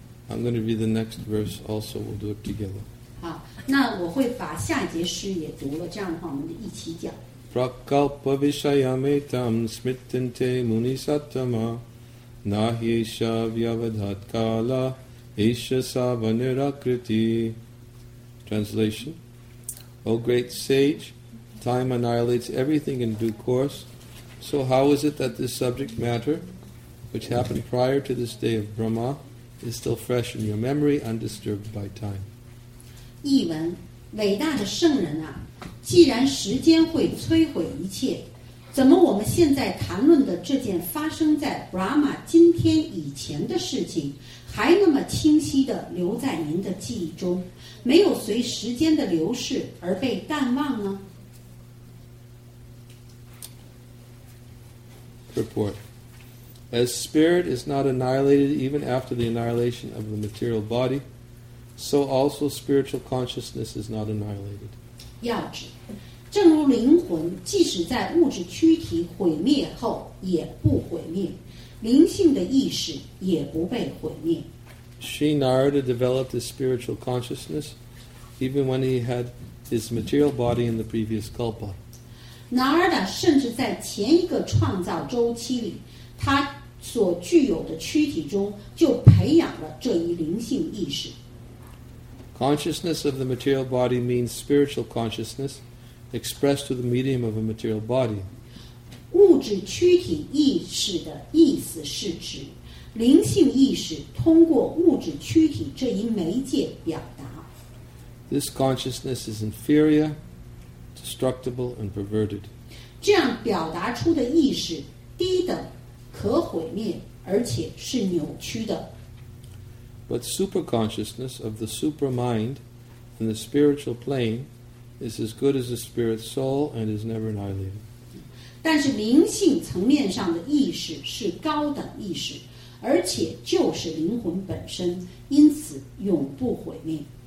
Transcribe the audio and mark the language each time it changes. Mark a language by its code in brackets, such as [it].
[en] I'm going to read the next verse also. We'll do it together. [zh] 好，那我会把下一节诗也读了，这样的话我们一起讲。 [sa] Prakalpa Vishayametam Smittante Munisattama Nahyesha Vyavadhat Kala. Isha Savanirakriti. [en] Translation. O great sage, time annihilates everything in due course. So how is it that this subject matter, which happened prior to this day of Brahma, is still fresh in your memory, undisturbed by time? [zh] 译文，伟大的圣人啊，既然时间会摧毁一切，怎么我们现在谈论的这件发生在 Brahma 今天以前的事情还那么清晰地留在您的记忆中，没有随时间的流逝而被淡忘呢？ [en] Report. As spirit is not annihilated even after the annihilation of the material body, so also spiritual consciousness is not annihilated. [zh] 要指，正如灵魂即使在物质躯体毁灭后也不毁灭，灵性的意识也不被毁灭。 [en] Shri Narada developed his spiritual consciousness even when he had his material body in the previous kalpa. [zh] Narada 甚至在前一个创造周期里，他所具有的躯体中就培养了这一灵性意识。 [en] Consciousness of the material body means spiritual consciousness expressed through the medium of a material body. [zh] 物质躯体意识的意思是指灵性意识通过物质躯体这一媒介表达。 [en] This consciousness is inferior, destructible, and perverted. [zh] 这样表达出的意识低等、可毁灭，而且是扭曲的。 [en] But superconsciousness of the supermind and the spiritual plane is as good as a spirit soul and is never annihilated. [zh] 但是灵性层面上的意识是高等意识，而且就是灵魂本身，因此永不毁灭。